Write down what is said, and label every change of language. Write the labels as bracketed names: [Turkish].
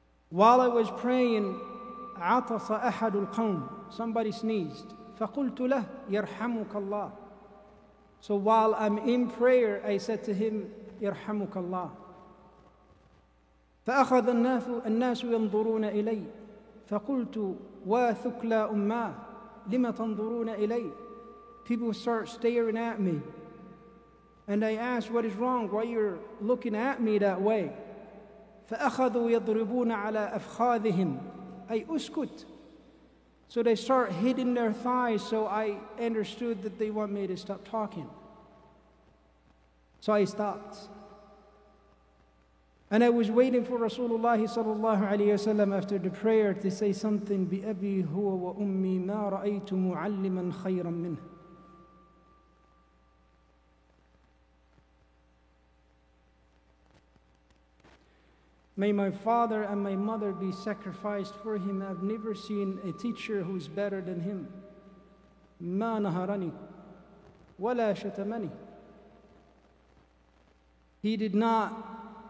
[English] While I was praying, [Arabic] عطس أحد القوم, [English] somebody sneezed. [Arabic] فقلت له يرحمك الله. [English] So while I'm in prayer, I said to him, [Arabic] يرحمك الله. فأخذ الناس ينظرون إلي. فقلت وثكلا أمة لما تنظرون إلي. [English] People start staring at me. And I asked, what is wrong? Why you're looking at me that way? [Arabic] فأخذوا يضربون على أفخاذهم. أي أسكت. [English] So they start hitting their thighs, so I understood that they want me to stop talking. So I stopped. And I was waiting for Rasulullah sallallahu alayhi wa sallam after the prayer to say something. [Arabic] بأبي هو وأمي ما رأيت معلما خيرا منه. [English] May my father and my mother be sacrificed for him. I've never seen a teacher who is better than him. [Arabic] مَا نَهَرَنِي وَلَا شَتَمَنِي. [English] He did not